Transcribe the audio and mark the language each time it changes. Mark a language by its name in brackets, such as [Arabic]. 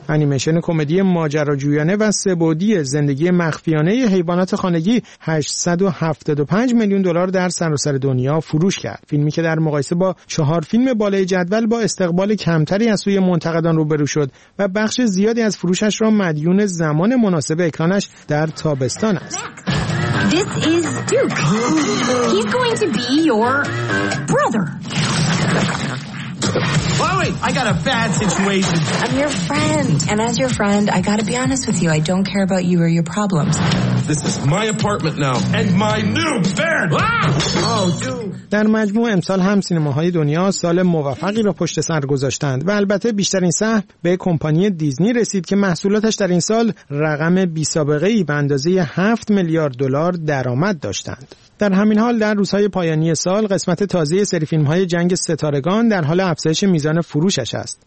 [Persian] انیمیشن کمدی ماجراجویانه و سه‌بعدی زندگی مخفیانه حیوانات خانگی 875 میلیون دلار در سراسر دنیا فروش کرد. فیلمی که در مقایسه با 4 فیلم بالای جدول با استقبال کمتری از سوی منتقدان روبرو شد و بخش زیادی از فروشش را مدیون زمان مناسب اکرانش در تابستان است. [English] This is Duke. He's going to be your brother. Chloe, I got a bad situation. I'm your friend. And as your friend, I gotta be honest with you. I don't care about you or your problems. This is my apartment now. And my new bed. Ah! Oh, Duke. [Persian] در مجموع امسال هم سینماهای دنیا سال موفقی را پشت سر گذاشتند و البته بیشترین سهم به کمپانی دیزنی رسید که محصولاتش در این سال رقم بی‌سابقه‌ای به اندازه 7 میلیارد دلار درآمد داشتند. در همین حال در روزهای پایانی سال قسمت تازه سری فیلم‌های جنگ ستارگان در حال افزایش میزان فروشش است.